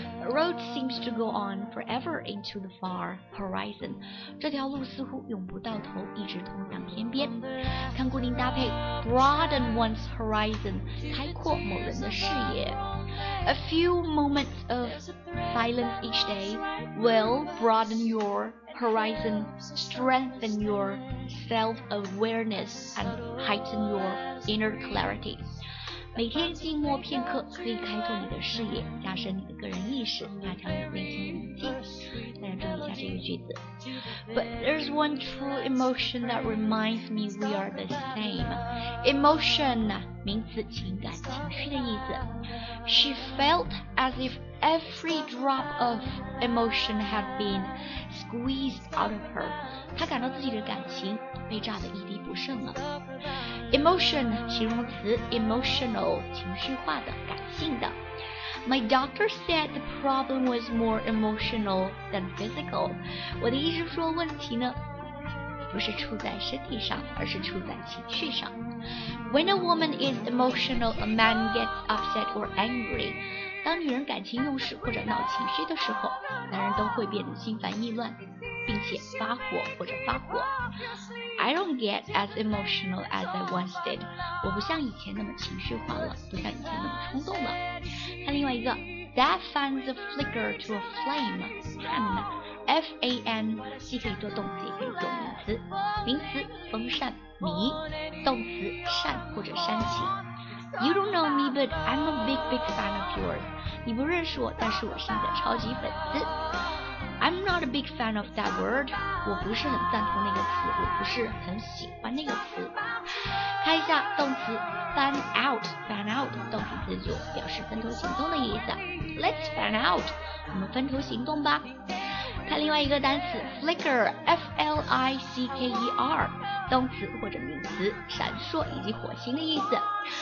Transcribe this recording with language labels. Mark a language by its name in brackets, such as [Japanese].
[English] Road seems to go on forever into the far horizon. [Chinese] 这条路似乎永不到头，一直通向天边。看固定搭配 [English] Broaden one's horizon， [Chinese] 开阔某人的视野。 [English] A few moments of silence each day will broaden your horizon, strengthen your self-awareness, and heighten your inner clarity. [Chinese] 每天静默片刻可以开拓你的视野，加深你的个人意识，加强你内心宁静。大家注意一下这个句子。 [English] But there's one true emotion that reminds me we are the same. [Chinese] Emotion, 名词，情感，情绪的意思。 [English] She felt as if every drop of emotion had been squeezed out of her. [Chinese] 她感到自己的感情被榨得一滴不剩了。 Emotion, 形容词 ,emotional, 情绪化的，感性的。 [English] My doctor said the problem was more emotional than physical. [Chinese] 我的医生说问题呢，不是出在身体上，而是出在情绪上。 [English] When a woman is emotional, a man gets upset or angry. [Chinese] 当女人感情用事或者闹情绪的时候，男人都会变得心烦意乱，并且发火或者发火。 [English] I don't get as emotional as I once did. [Chinese] 我不像以前那么情绪化了，不像以前那么冲动了。看另外一个 [English] ，That fans a flicker to a flame. [Chinese] Fan, F-A-N, 既可以做动词，也可以做名词。名词风扇、迷；动词扇或者扇起。 [English] You don't know me, but I'm a big, big fan of yours. [Chinese] 你不认识我，但是我是你的超级粉丝。 [English] I'm not a big fan of that word. [Chinese] 我不是很赞同那个词，我不是很喜欢那个词。看一下动词 fan out， fan out 动词词组表示分头行动的意思。 [English] Let's fan out， [Chinese] 我们分头行动吧。看另外一个单词 flicker， F L I C K E R， 动词或者名词，闪烁以及火星的意思。